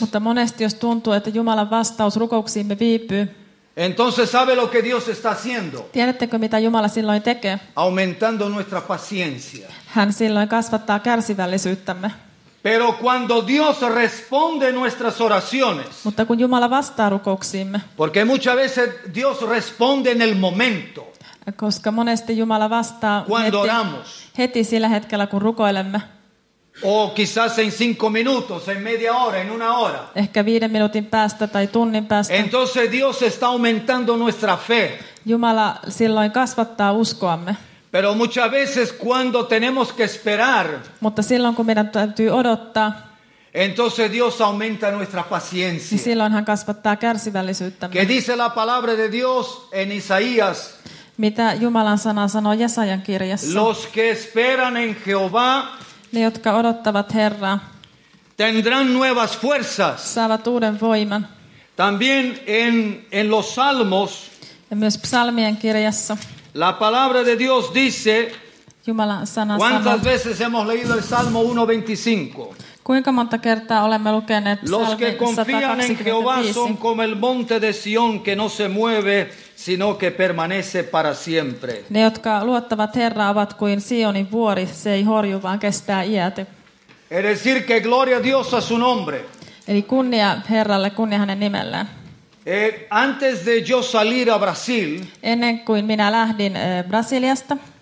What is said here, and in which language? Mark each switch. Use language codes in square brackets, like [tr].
[fi] Mutta monesti jos tuntuu, että Jumalan vastaus rukouksiimme viipyy. [es] Entonces sabe lo que Dios está haciendo. [fi] Tiedättekö, mitä Jumala silloin tekee? [es] Aumentando nuestra paciencia. [fi] Hän silloin kasvattaa kärsivällisyyttämme. [es] Pero cuando Dios responde nuestras oraciones. [fi] Mutta kun Jumala vastaa rukouksiimme. [es] Porque muchas veces Dios responde en el momento. [fi] Koska monesti Jumala vastaa heti sillä hetkellä kun rukoilemme. [es] O quizás en 5 minutos, en media hora, en una hora. [fi] Ehkä 5 minuutin päästä tai tunnin päästä. [es] Entonces Dios está aumentando nuestra fe. [fi] Jumala silloin kasvattaa uskoamme. [es] Pero muchas veces cuando tenemos que esperar. [fi] Mutta silloin kun meidän täytyy odottaa. [es] Entonces Dios aumenta nuestra paciencia. [fi] Niin silloin hän kasvattaa kärsivällisyyttämme. [es] ¿Qué dice la palabra de Dios en Isaías? [fi] Mitä Jumalan sana sanoo Jesajan kirjassa? [es] Los que esperan en Jehová. [fi] Ne, jotka odottavat Herraa. [es] Tendrán nuevas fuerzas. [fi] Saavat uuden voiman. [es] También en los salmos. [fi] Ja myös psalmien kirjassa. [es] La palabra de Dios dice. [fi] Jumalan sana [es] ¿cuántas [fi] sanoo, [es] veces hemos leído el Salmo 1:25? [fi] Kuinka monta kertaa olemme lukeneet psalmi 125? [es] Los que confían en Jehová son como el monte de Sion que no se mueve, sino que permanece para siempre. [fi] Ne, jotka luottavat Herraa, ovat kuin Sionin vuori, se ei horju, vaan kestää iäti. [es] Es decir que gloria a Dios a su nombre. [fi] Eli kunnia Herralle, kunnia hänen nimellään. [es] Antes de yo salir a Brasil. [fi] Ennen kuin minä lähdin Brasiliasta.